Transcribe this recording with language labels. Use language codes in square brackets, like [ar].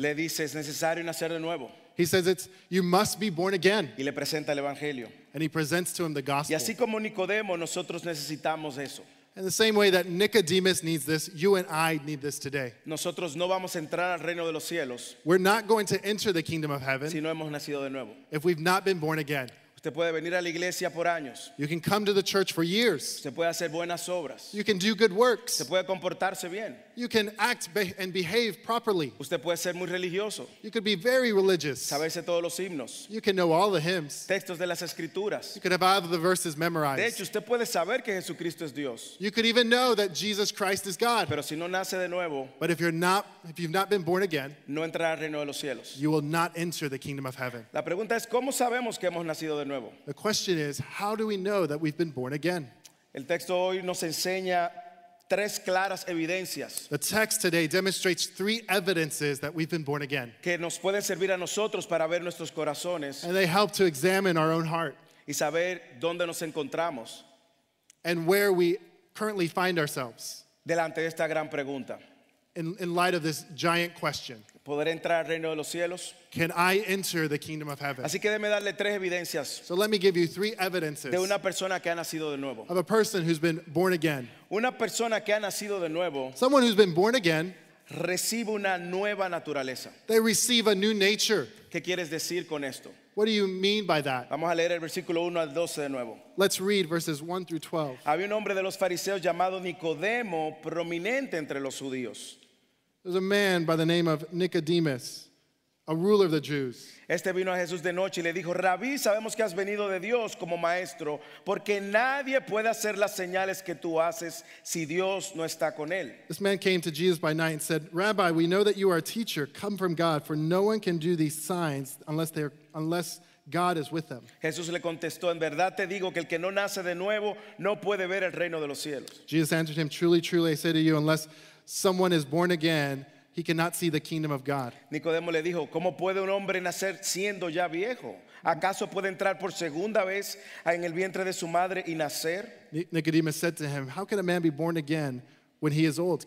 [es] Le dice, es necesario nacer de nuevo. [en] He says, it's, you must be born again. [es] Y le presenta el evangelio. [en] And he presents to him the gospel. [es] Y así como Nicodemo, nosotros necesitamos eso. [en] In the same way that Nicodemus needs this, you and I need this today. [es] Nosotros no vamos a entrar al reino de los cielos. [en] We're not going to enter the kingdom of heaven [es] si no hemos nacido de nuevo. [en] If we've not been born again. [es] Usted puede venir a la iglesia por años. [en] You can come to the church for years. [es] Se puede hacer buenas obras. [en] You can do good works. [es] Se puede comportarse bien. [en] You can act and behave properly. [es] Usted puede ser muy religioso. [en] You could be very religious. [es] Saberse todos los himnos. [en] You can know all the hymns. [es] Textos de las escrituras. [en] You could have all the verses memorized. [es] De hecho, usted puede saber que Jesucristo es Dios. [en] You could even know that Jesus Christ is God. [es] Pero si no nace de nuevo, [en] but if you've not been born again, [es] no entrará al reino de los cielos. [en] You will not enter the kingdom of heaven. [es] La pregunta es, ¿cómo sabemos que hemos nacido de nuevo? [en] The question is, how do we know that we've been born again? [es] El texto hoy nos enseña tres claras evidencias. [en] The text today demonstrates 3 evidences that we've been born again. [es] Que nos pueden servir a nosotros para ver nuestros corazones. [en] And they help to examine our own heart. [es] Y saber dónde nos encontramos. [en] And where we currently find ourselves. [es] Delante de esta gran pregunta. [en] in light of this giant question. [es] ¿Poder entrar al reino de los cielos? [en] Can I enter the kingdom of heaven? [es] Así que déjeme darle tres evidencias. [en] So let me give you three evidences. [es] De una persona que ha nacido de nuevo. [en] Of a person who's been born again. [es] Una persona que ha nacido de nuevo. [en] Someone who's been born again. [es] Recibe una nueva naturaleza. [en] They receive a new nature. [es] ¿Qué quieres decir con esto? [en] What do you mean by that? [es] Vamos a leer el versículo 1 al 12 de nuevo. [en] Let's read verses 1 through 12. [es] Había un hombre de los fariseos llamado Nicodemo, prominente entre los judíos. [en] There's a man by the name of Nicodemus, a ruler of the Jews. [es] Este vino a Jesús de noche y le dijo, Rabí, sabemos que has venido de Dios como maestro, porque nadie puede hacer las señales que tú haces si Dios no está con él. [en] This man came to Jesus by night and said, Rabbi, we know that you are a teacher, come from God, for no one can do these signs unless God is with them. [es] Jesús le contestó, en verdad te digo que el que no nace de nuevo no puede ver el reino de los cielos. [en] Jesus answered him, truly, truly, I say to you, unless someone is born again, he cannot see the kingdom of God. [es] Nicodemo le dijo, ¿cómo puede un hombre nacer siendo ya viejo? ¿Acaso puede entrar por segunda vez en el vientre de su madre y nacer? [en] Nicodemus said to him, how can a man be born again when he is old?